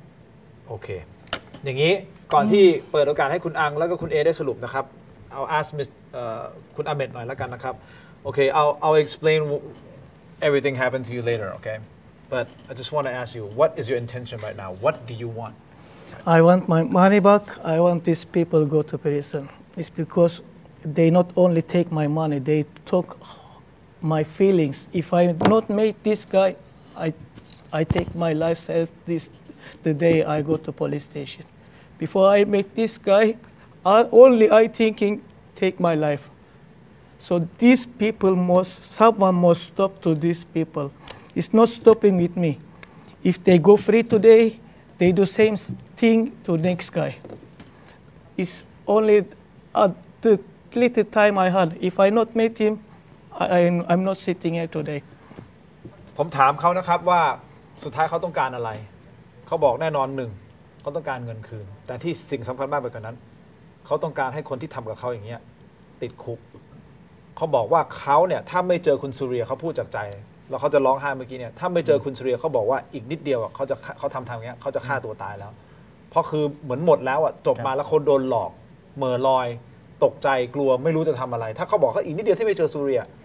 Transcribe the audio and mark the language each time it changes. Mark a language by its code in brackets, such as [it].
[th] โอเคอย่างนี้ก่อนที่เปิดโอกาสให้คุณอังแล้วก็คุณเอได้สรุปนะครับเอาask Miss คุณอาเมดหน่อยแล้วกันนะครับโอเค [en] I'll explain everything happened to you later okay but I just want to ask you what is your intention right now what do you want I want my money back. I want these people go to prison. It's because they not only take my money, they took my feelings. If I not meet this guy, I take my life self the day I go to police station. Before I meet this guy, I thinking take my life. So these people must, someone must stop to these people. It's not stopping with me. If they go free today, they do same thing to next guy. It's only at the little time I had. If I not meet him, I'm not sitting here today. [th] ผมถามเขานะครับว่าสุดท้ายเขาต้องการอะไรเขาบอกแน่นอนหนึ่งเขาต้องการเงินคืนแต่ที่สิ่งสำคัญมากไปกว่านั้นเขาต้องการให้คนที่ทำกับเขาอย่างเงี้ยติดคุกเขาบอกว่าเขาเนี่ยถ้าไม่เจอคุณสุเรียเขาพูดจากใจแล้วเขาจะร้องไห้เมื่อกี้เนี่ยถ้าไม่เจอคุณสุเรียเขาบอกว่าอีกนิดเดียวเขาทำทางเงี้ยเขาจะฆ่าตัวตายแล้วเพราะคือเหมือนหมดแล้วอ่ะจบมาแล้วคนโดนหลอกเหม่อลอยตกใจกลัวไม่รู้จะทำอะไรถ้าเขาบอกเขาอีกนิดเดียวที่ไม่เจอสุเรีย